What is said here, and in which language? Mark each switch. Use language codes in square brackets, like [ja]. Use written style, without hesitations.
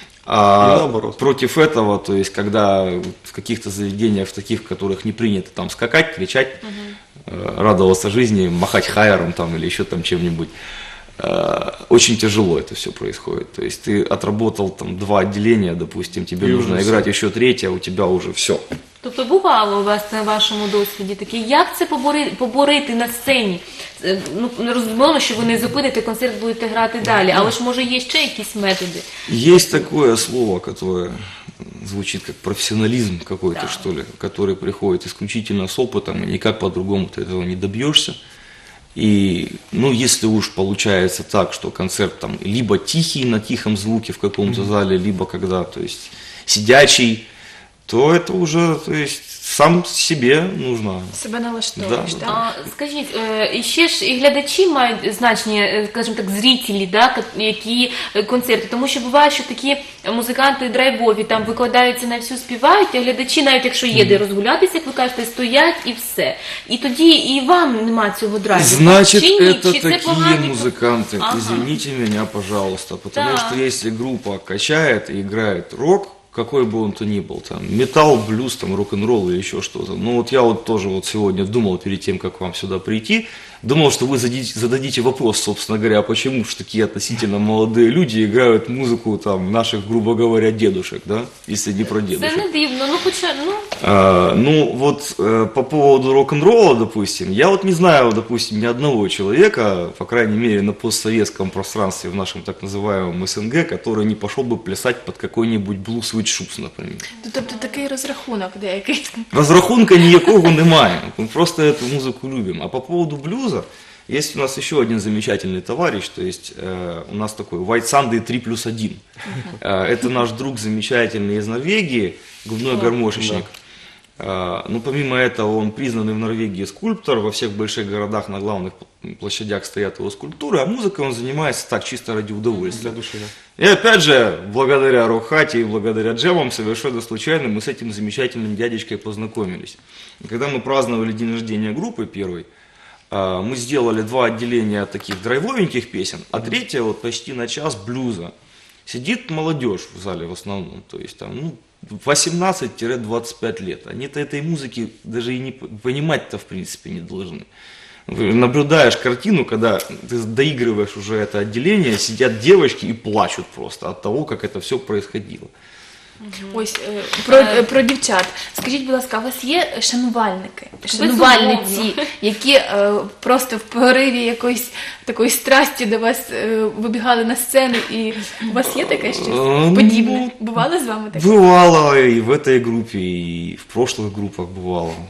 [ru] А против этого, то есть, когда в каких-то заведениях, в таких, в которых не принято там скакать, кричать, радоваться жизни, махать хайером там или еще там чем-нибудь, очень тяжело это все происходит. То есть, ты отработал там 2 отделения, допустим, тебе и нужно играть еще 3, у тебя уже все. [uk] Тобто бувало у вас на вашому досвіді таке, як це поборити на сцені? Ну, розуміло, що ви не зупините концерт, будете грати далі, але ж може є ще якісь методи? Є таке слово, яке звучить як професіоналізм якийсь, що ли, який приходить виключно з опитом, і ніяк по-другому ти цього не доб'єшся. [ru] И, ну, если уж получается так, что концерт там либо тихий, на тихом звуке в каком-то зале, либо когда, то есть, сидячий, то это уже, то есть, сам себе нужно. [uk] Себе налаштовуєш, да. Скажіть, ще ж і глядачі мають значні, скажімо так, зрителі, да, які концерти. Тому що буває, що такі музиканти драйвові там викладаються на всю, співають, а глядачі, навіть якщо їде розгулятися, як ви кажете, стоять і все. І тоді і вам нема цього драйву. Значить, це такі музиканти. Ага. [ru] Извините мене, пожалуйста. [uk] Тому що якщо група качає і грає рок, [ru] какой бы он то ни был, [uk] там, метал, блюз, там, рок-н-ролл [ru] или еще что-то. Ну, вот я вот тоже вот сегодня думал перед тем, как вам сюда прийти, думал, что вы зададите вопрос, собственно говоря, почему же такие относительно молодые люди играют музыку, там, наших, грубо говоря, дедушек, да, если не про дедушек. [uk] Это не дивно, ну, хоча, ну... [ru] По поводу рок-н-ролла, допустим, я вот не знаю, допустим, ни одного человека, по крайней мере, на постсоветском пространстве, в нашем так называемом СНГ, который не пошел бы плясать под какой-нибудь блюз Switch Shoes, например. [uk] Тобто такий розрахунок деякий. Розрахунка ніякого немає, ми просто цю музику любимо. [ru] А по поводу блюза, Есть у нас еще один замечательный товарищ, то есть у нас такой White Sunday 3+1. Это наш друг замечательный из Норвегии, губной гармошечник. Ну, помимо этого, он признанный в Норвегии скульптор, во всех больших городах на главных площадях стоят его скульптуры, а музыкой он занимается так, чисто ради удовольствия. Для души, да. И опять же, благодаря Рохате и благодаря джемам, совершенно случайно мы с этим замечательным дядечкой познакомились. И когда мы праздновали день рождения группы первой, мы сделали два отделения таких драйвовеньких песен, а третье вот почти на час блюза. Сидит молодежь в зале в основном, то есть там, ну, 18-25 лет. Они-то этой музыки даже и не понимать-то в принципе не должны. Наблюдаешь картину, когда ты доигрываешь уже это отделение, сидят девочки и плачут просто от того, как это все происходило. [uk] Ось, про дівчат. Скажіть, будь ласка, у вас є шанувальники? Шанувальниці, які просто в пориві якоїсь такої страсті до вас вибігали на сцену, і у вас є таке щось подібне? Бувало з вами таке? Бувало і в цій групі, і в прошлих групах бувало.